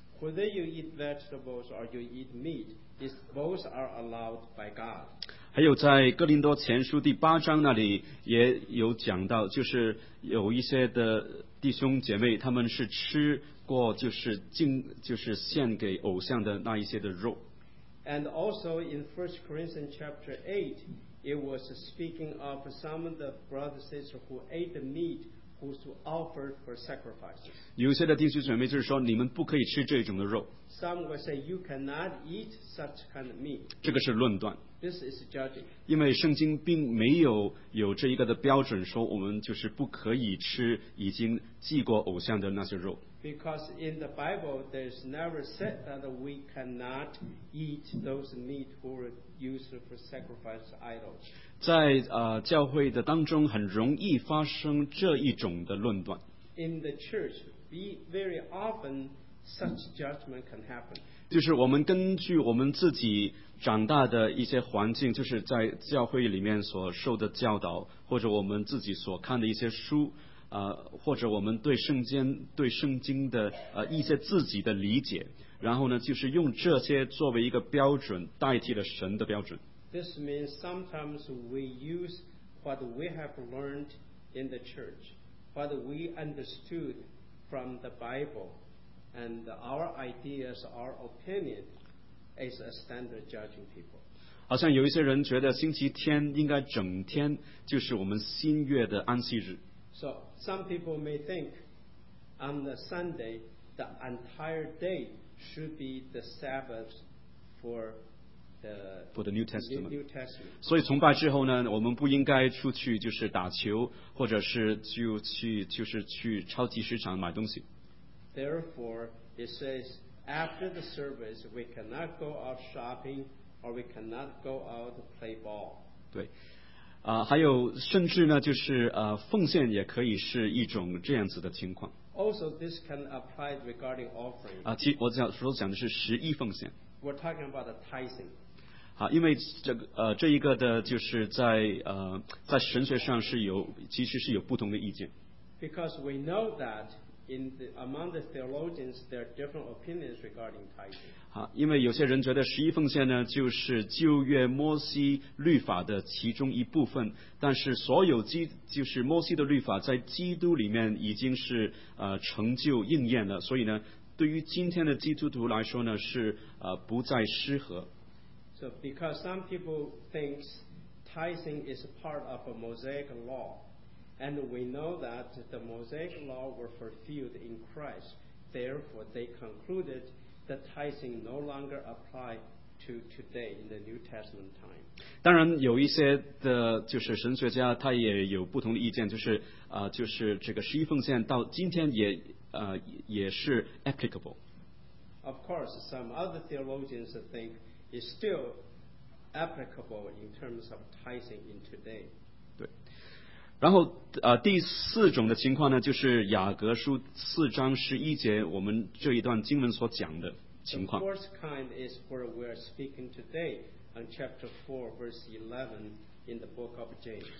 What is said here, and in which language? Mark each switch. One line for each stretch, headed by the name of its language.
English: Whether you eat vegetables or you eat meat, both are allowed by God.
Chinese: 还有在哥林多前书第八章那里也有讲到，就是有一些的弟兄姐妹，他们是吃过就是献给偶像的那一些的肉。
English: And also in 1 Corinthians chapter 8, it was speaking of some of the brothers and sisters who ate the meat who offered for sacrifices.
Chinese: 有些的弟兄姐妹就是说，你们不可以吃这种的肉。
English: Some would say you cannot eat such kind of meat.
Chinese: 这个是论断。
English: This is judging.
Chinese: 因为圣经并没有这一个的标准说我们就是不可以吃已经祭过偶像的那些肉。
English: Because in the Bible, there's never said that we cannot eat those meat who are used for sacrifice idols.
Chinese: 在教会的当中，很容易发生这一种的论断。
English: In the church, very often such judgment can happen.
Chinese: 就是我们根据我们自己长大的一些环境，就是在教会里面所受的教导，或者我们自己所看的一些书。或者我们对圣经的一些自己的理解，然后呢，就是用这些作为一个标准，代替了神的标准。
English: This means sometimes we use what we have learned in the church, what we understood from the Bible, and our ideas, our opinion, as a standard judging people.
Chinese: 好像有一些人觉得星期天应该整天就是我们新月的安息日。
English: So some people may think on the Sunday the entire day should be the Sabbath for the New Testament. New Testament.
Chinese: 所以崇拜之后呢，我们不应该出去就是打球，或者是就是去超级市场买东西。
English: Therefore, it says after the service we cannot go out shopping or we cannot go out to play ball.
Chinese: 对。还有甚至呢，就是奉献也可以是一种这样子的情况。
English: Also, this can apply regarding offering.
Chinese: 我所讲的是十一奉献。
English: We're talking about the tithing.
Chinese: 好，因为这一个的就是在神学上是有其实是有不同的意见。
English: Because we know that in the, among the theologians, there are different opinions regarding tithing.
Chinese: 好，因为有些人觉得十一奉献呢，就是旧约摩西律法的其中一部分，但是所有就是摩西的律法在基督里面已经是成就应验了，所以呢，对于今天的基督徒来说呢，是不再适合。
English: So because some people think tithing is part of a Mosaic law, and we know that the Mosaic law were fulfilled in Christ, therefore they concluded. The tithing no longer apply to today in the New Testament time.
Chinese: 当然有一些的就是神学家他也有不同的意见，就是就是这个十一奉献到今天也是 applicable.
English: Of course, some other theologians think it's still applicable in terms of tithing in today.
Chinese: 对。然后第四种的情况呢，就是雅各书四章十一节我们这一段经文所讲的情况。
English: The fourth kind is where we are speaking today on chapter 4 verse 11 in the book of James.